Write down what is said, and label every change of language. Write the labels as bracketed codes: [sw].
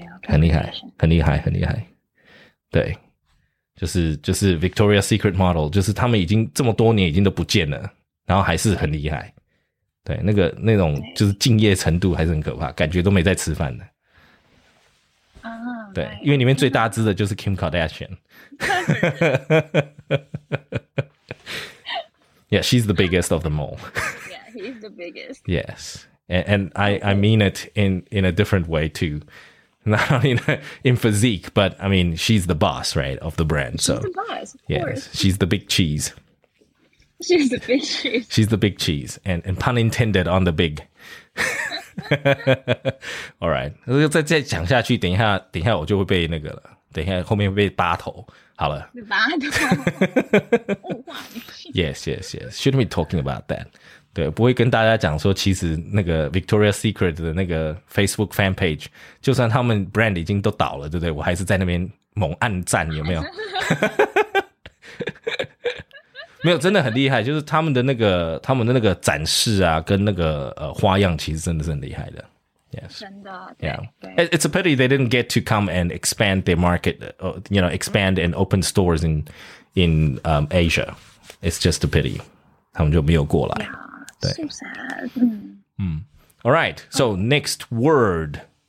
[zh] 啊，很厉害，很厉害，很厉害。对，就是 Victoria's Secret model， 就是他们已经这么多年已经都不见了，然后还是很厉害。对，那个那种就是敬业程度还是很可怕，感觉都没在吃饭的。啊，对，因为里面最大只的就是 Kim Kardashian。 [en] Yeah, she's the biggest of them all. Yeah, he's the biggest. Yes, and I mean it in a different way too. Not only in physique, but I mean she's the boss, right, of the brand. She's the boss. Of yes, she's the big cheese. She's the big cheese. She's the big cheese, and pun intended on the big. [zh] All right, 如果再讲下去，等一下我就会被那个了。等一下，后面会被扒头。好了，扒头。 [en] Yes, yes, yes. Shouldn't be talking about that. [zh] 对，不会跟大家讲说，其实那个 Victoria's Secret 的那个 Facebook fan page， 就算他们 brand 已经都倒了，对不对？我还是在那边猛按赞，有没有？没有，真的很厉害。就是他们的那个展示啊，跟那个花样，其实真的是很厉害的。 [en] Yes. [zh] 真的， yeah. 对。 [en] It's a pity they didn't get to come and expand their market, you know, expand and open stores in Asia. It's just a pity. [zh] 他们就没有过来。 [en] Yeah, [zh] 对。 [en] So sad. All right. So next word.